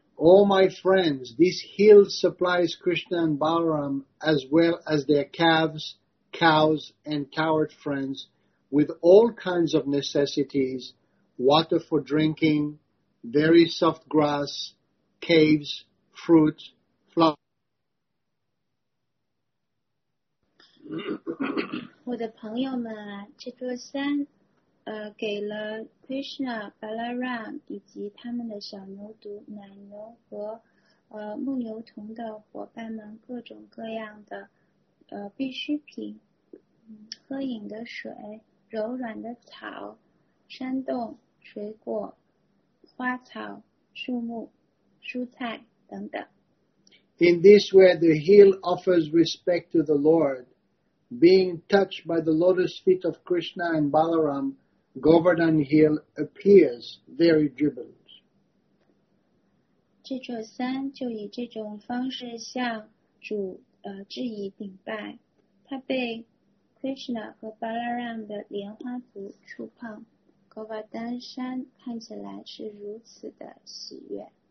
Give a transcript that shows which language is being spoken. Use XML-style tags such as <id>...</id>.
<en>All my friends, this hill supplies Krishna and Balaram as well as their calves, cows, and coward friends with all kinds of necessities, water for drinking, very soft grass, caves, fruit, flowers.</en> <zh>我的朋友们啊，这座山，给了 Krishna、Balaram 以及他们的小牛犊、奶牛和牧牛童的伙伴们各种各样的必需品，喝饮的水、柔软的草、山洞、水果、花草、树木、蔬菜等等。</zh> <en>In this way, the hill offers respect to the Lord. Being touched by the lotus feet of Krishna and Balaram, Govardhan Hill appears very jubilant.</en> <zh>这座山就以这种方式向主致以顶拜，它被 Krishna 和 Balaram 的莲花足触碰， Govardhan 山看起来是如此的喜悦。</zh>